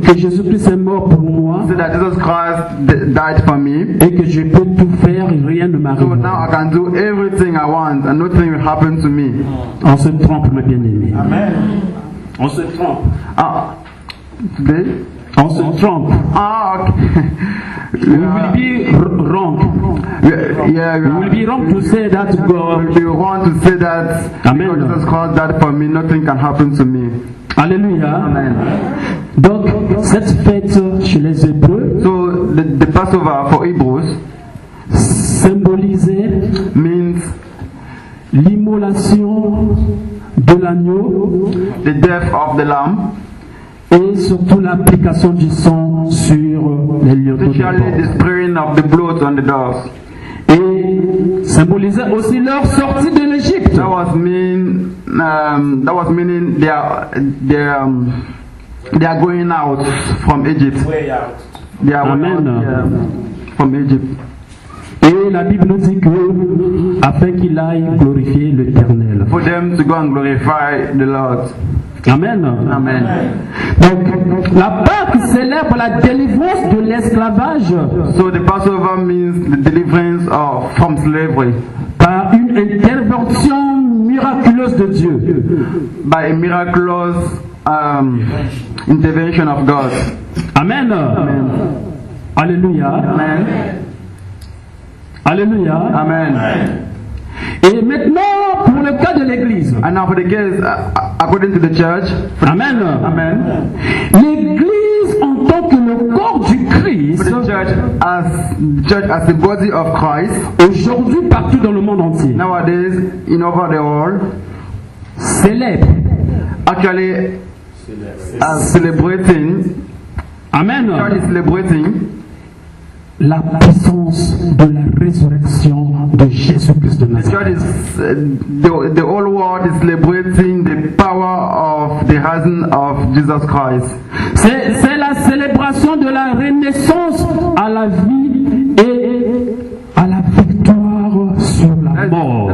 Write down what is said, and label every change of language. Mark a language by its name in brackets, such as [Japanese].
[French] Que Jésus Christ est mort pour moi. [English] Say that Jesus Christ died for me. [French] Et que je peux tout faire et rien ne m'arrive. [English] So now I can do everything I want and nothing will happen to me. [French] On se trompe, mes bien-aimés. Amen. On se trompe. [English] Ah, today. [French] On se trompe. [English] Ah, okay. We will be wrong. Yeah. We will be wrong to say that God. We will be wrong to say that. Amen. Because Jesus Christ died for me, nothing can happen to me. Alléluia. Amen. [French] Donc cette fête chez les Hébreux. [English] So the Passover for Hebrews [French] symbolisait [English] means [French] l'immolation de l'agneau, [English] the death of the lamb, [French] et surtout l'application du sang sur les lieux de mort. [English] Especially the spraying of the blood on the doors. [French] Et symbolisait aussi leur sortie de l'Égypte. [English] That was mean. That was meaning they are going out from Egypt. Way out. They are going out, from Egypt. [French] Et la Bible nous dit que afin qu'il aille glorifier l'Éternel. [English] For them to go and glorify the Lord. Amen. Amen. [French] Donc la Pâque célèbre la délivrance de l'esclavage. [English] So the Passover means the deliverance of from slavery. [French] Par une intervention miraculeuse de Dieu. [English] By a miraculous intervention of God. Amen. Amen. Alléluia. Amen. Alléluia. Amen. [French] Et maintenant pour le cas de l'église. [English] And now for the case according to the church. Amen. Amen. [French] L'église en tant que le corps du Christ. [English] For the church as the church as the body of Christ. [French] Aujourd'hui partout dans le monde entier. [English] Nowadays in over the world. [French] Célèbre. [English] Actually celebrating. Amen. The church is celebrating [French] la puissance de la résurrection de Jésus-Christ de Nazareth. [English] The church is the whole world is celebrating the power of the risen of Jesus Christ. [French] C'est la célébration de la renaissance à la vie et à la victoire sur la mort.